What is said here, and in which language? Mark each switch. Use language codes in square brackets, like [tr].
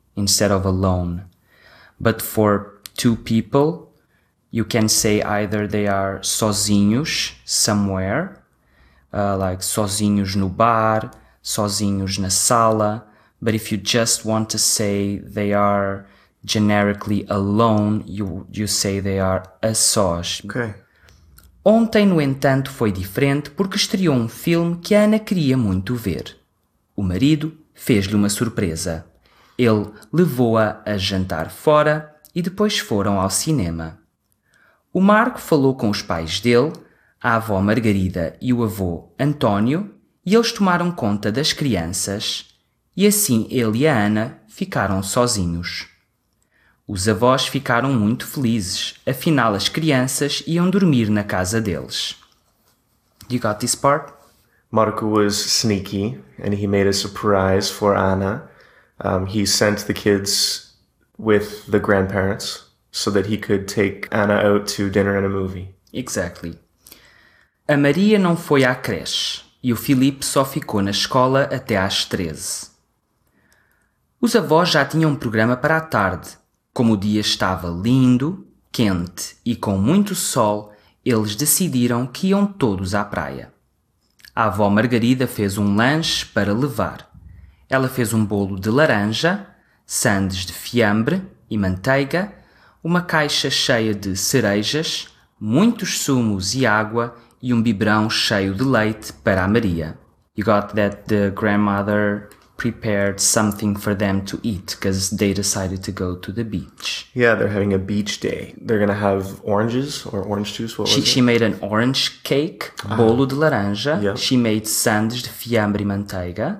[en] Instead of alone. But for two people, you can say either they are [pt] sozinhos [en] somewhere, like [pt] sozinhos no bar, sozinhos na sala. [en] But if you just want to say they are generically alone, you say they are [pt] a sós. [en] Okay. [pt] Ontem, no entanto, foi diferente porque estreou um filme que a Ana queria muito ver. O marido fez-lhe uma surpresa. Ele levou-a a jantar fora e depois foram ao cinema. O Marco falou com os pais dele, a avó Margarida e o avô António, e eles tomaram conta das crianças, e assim ele e a Ana ficaram sozinhos. Os avós ficaram muito felizes, afinal as crianças iam dormir na casa deles. [en] You got this part? Marco was sneaky and he made a surprise for Ana. He sent the kids with the grandparents so that he could take Anna out to dinner and a movie. Exactly. [pt] A Maria não foi à creche e o Filipe só ficou na escola até às 13. Os avós já tinham um programa para a tarde. Como o dia estava lindo, quente e com muito sol, eles decidiram que iam todos à praia. A avó Margarida fez um lanche para levar. Ela fez um bolo de laranja, sandes de fiambre e manteiga, uma caixa cheia de cerejas, muitos sumos e água e um biberão cheio de leite para a Maria. [en] You got that the grandmother prepared something for them to eat because they decided to go to the beach. Yeah, they're having a beach day. They're going to have oranges or orange juice. What she, was it? She made an orange cake, [pt] bolo de laranja. [en] Yeah. She made [pt] sandes de fiambre e manteiga.